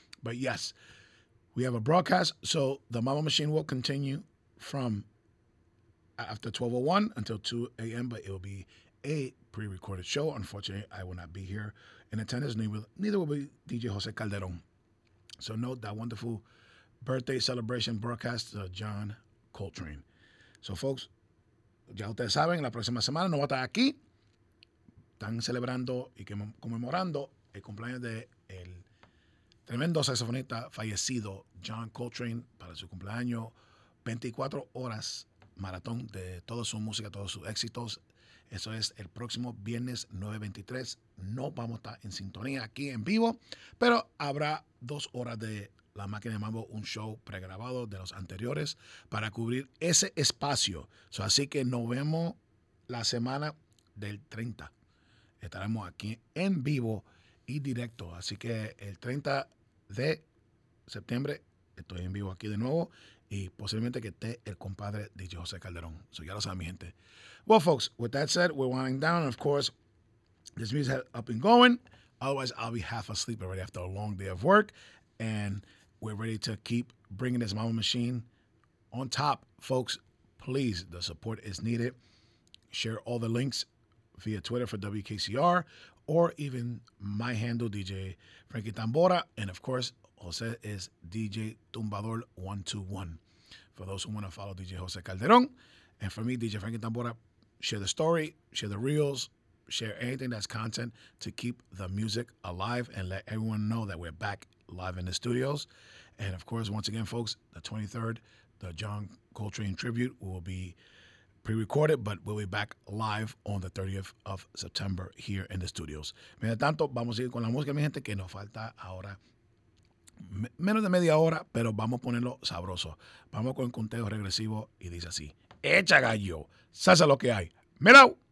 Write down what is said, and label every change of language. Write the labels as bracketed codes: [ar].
[en] But, yes, we have a broadcast, so the Mambo Machine will continue from after 12:01 until 2 a.m., but it will be a pre-recorded show. Unfortunately, I will not be here in attendance. Neither will be DJ Jose Calderon. So note that wonderful birthday celebration broadcast to John Coltrane. So, folks, [es] ya ustedes saben, la próxima semana no va a estar aquí. Están celebrando y conmemorando el cumpleaños de el tremendo saxofonista fallecido, John Coltrane, para su cumpleaños. 24 horas maratón de toda su música, todos sus éxitos. Eso es el próximo viernes 9:23. No vamos a estar en sintonía aquí en vivo, pero habrá 2 horas de La Máquina de Mambo, un show pregrabado de los anteriores para cubrir ese espacio. Así que nos vemos la semana del 30. Estaremos aquí en vivo y directo. Así que el 30 de septiembre estoy en vivo aquí de nuevo y posiblemente que esté el compadre de José Calderón. So ya lo saben, mi gente. [en] Well, folks, with that said, we're winding down. Of course, this music has up and going. Otherwise, I'll be half asleep already after a long day of work. And we're ready to keep bringing this Mambo Machine on top. Folks, please, the support is needed. Share all the links via Twitter for WKCR or even my handle, DJ Frankie Tambora. And of course, Jose is DJ Tumbador 121. For those who want to follow DJ Jose Calderon, and for me, DJ Frankie Tambora, share the story, share the reels, share anything that's content to keep the music alive and let everyone know that we're back live in the studios. And of course, once again, folks, the 23rd, the John Coltrane tribute will be pre-recorded, but we'll be back live on the 30th of September here in the studios. [es] Mientras tanto, vamos a ir con la música, mi gente, que nos falta ahora menos de media hora, pero vamos a ponerlo sabroso. Vamos con el conteo regresivo y dice así: echa gallo, salsa lo que hay. ¡Mira!